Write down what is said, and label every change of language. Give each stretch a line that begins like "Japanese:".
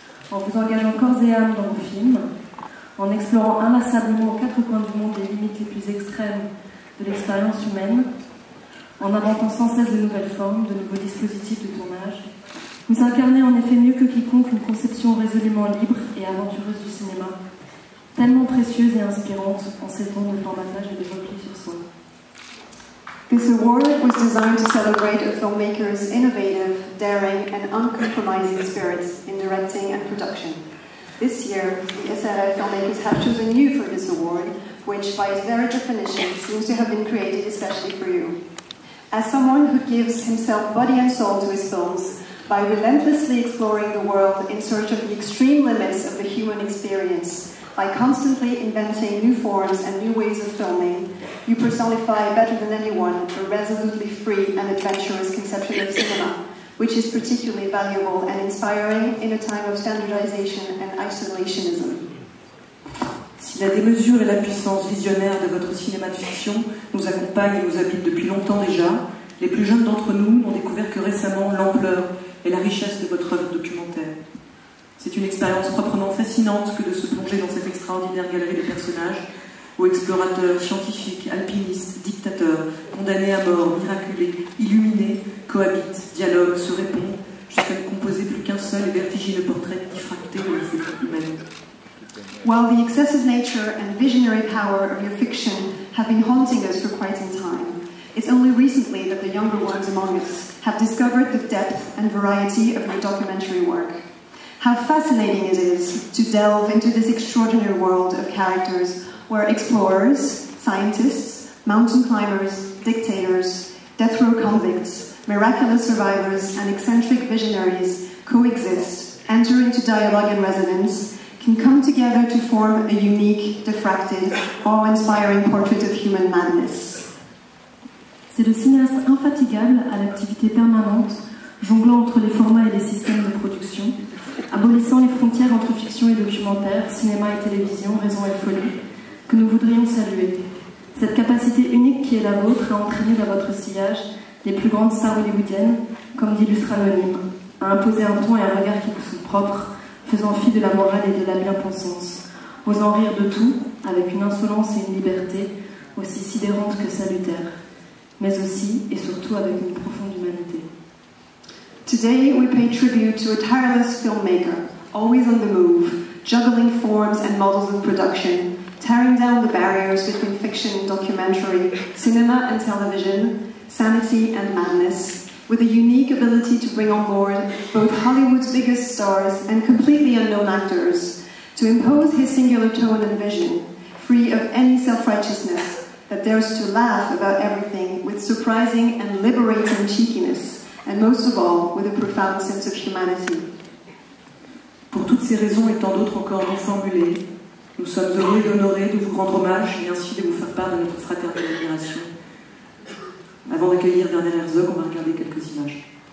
French: En vous engageant corps et âme dans vos films, en explorant inlassablement aux quatre coins du monde les limites les plus extrêmes de l'expérience humaine, en inventant sans cesse de nouvelles formes, de nouveaux dispositifs de tournage, vous incarnez en effet mieux que quiconque une conception résolument libre et aventureuse du cinéma, tellement précieuse et inspirante en ces temps de formatage et de repli sur soi.
English: This award was designed to celebrate a filmmaker's innovative, daring, and uncompromising spirit in directing and production. This year, the SRF filmmakers have chosen you for this award, which, by its very definition, seems to have been created especially for you. As someone who gives himself body and soul to his films, by relentlessly exploring the world in search of the extreme limits of the human experience, by constantly inventing new forms and new ways of filming, you personify better than anyone a resolutely free and adventurous conception of cinema, which is particularly valuable and inspiring in a time of standardization and isolationism.
French: Si la démesure et la puissance visionnaire de votre cinéma de fiction nous accompagnent et nous habitent depuis longtemps déjà, les plus jeunes d'entre nous n'ont découvert que récemment l'ampleur et la richesse de votre œuvre documentaire. C'est une expérience proprement fascinante que de se plonger dans cette extraordinaire galerie de personnages où explorateurs, scientifiques, alpinistes, dictateurs, condamnés à mort, miraculés, illuminés, cohabitent, dialoguent, se répondent, jusqu'à ne composer plus qu'un seul et vertigineux portrait diffracté de la vie humaine.
English: While the excessive nature and visionary power of your fiction have been haunting us for quite some time, it's only recently that the younger ones among us have discovered the depth and variety of your documentary work. How fascinating it is to delve into this extraordinary world of characters where explorers, scientists, mountain climbers, dictators, death row convicts, miraculous survivors, and eccentric visionaries coexist, enter into dialogue and resonance, can come together to form a unique, diffracted, awe-inspiring portrait of human madness.
French: C'est le cinéaste infatigable à l'activité permanente, jonglant entre les formats et les systèmes de production, abolissant les frontières entre fiction et documentaire, cinéma et télévision, raison et folie, que nous voudrions saluer. Cette capacité unique qui est la vôtre a entraîné dans votre sillage les plus grandes stars hollywoodiennes, comme d'illustres anonymes, à imposer un ton et un regard qui vous sont propres, faisant fi de la morale et de la bien-pensance, osant rire de tout, avec une insolence et une liberté aussi sidérantes que salutaires, mais aussi et surtout avec une profonde humanité.
English: Today we pay tribute to a tireless filmmaker, always on the move, juggling forms and models of production, tearing down the barriers between fiction and documentary, cinema and television, sanity and madness, with a unique ability to bring on board both Hollywood's biggest stars and completely unknown actors, to impose his singular tone and vision, free of any self-righteousness, that dares to laugh about everything with surprising and liberating cheekiness, and most of all, with a profound sense of humanity.
French: Pour toutes ces raisons et tant d'autres encore non formulées, nous sommes heureux et honorés de vous rendre hommage et ainsi de vous faire part de notre fraternelle admiration. Avant d'accueillir Werner Herzog, on va regarder quelques images.